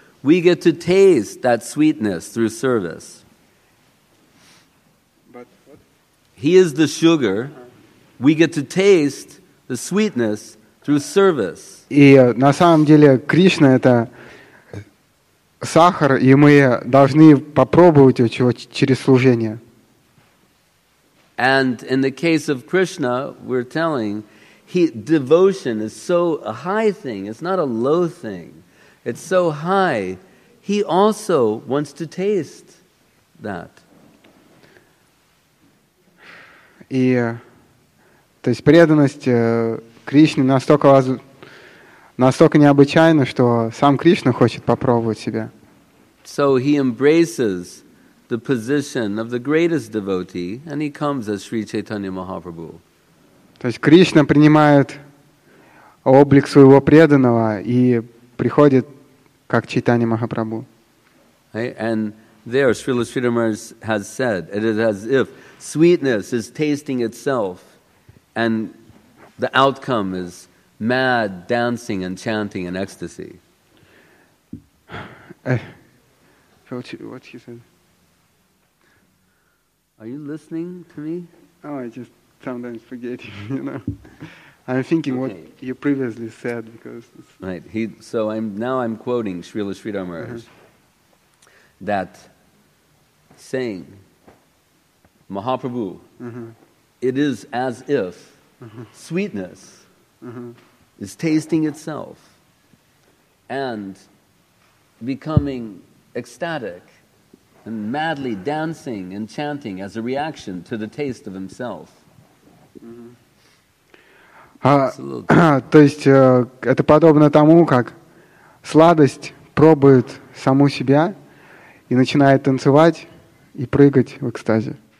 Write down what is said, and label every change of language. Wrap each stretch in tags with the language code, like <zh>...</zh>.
<en>We get to taste that sweetness through service. He is the sugar. We get to taste the sweetness through service.</en> <ru>И на самом деле Кришна — это сахар, и мы должны попробовать его через служение.</ru> <en>And in the case of Krishna, we're telling, devotion is so a high thing. It's not a low thing. It's so high. He also wants to taste that.</en> <ru>И, то есть, преданность Кришне настолько необычайна, что сам Кришна хочет попробовать себя.</ru> <en>So he embraces the position of the greatest devotee, and he comes as Sri Chaitanya Mahaprabhu.</en> <ru>То есть, Кришна принимает облик своего преданного и приходит как Чайтанья Махапрабху.</ru> <en>And there, Srila Sridhar Maharaj has said, it is as if sweetness is tasting itself, and the outcome is mad dancing and chanting in ecstasy. What she said? Are you listening to me? Oh, I just sometimes forget. You know, I'm thinking okay. What you previously said because right. I'm quoting Srila Sridhar Maharaj, that saying. Mahaprabhu, it is as if sweetness is tasting itself and becoming ecstatic and madly dancing and chanting as a reaction to the taste of himself.</en> <ru>То есть это подобно тому, как сладость пробует саму себя и начинает танцевать и прыгать в экстазе.</ru>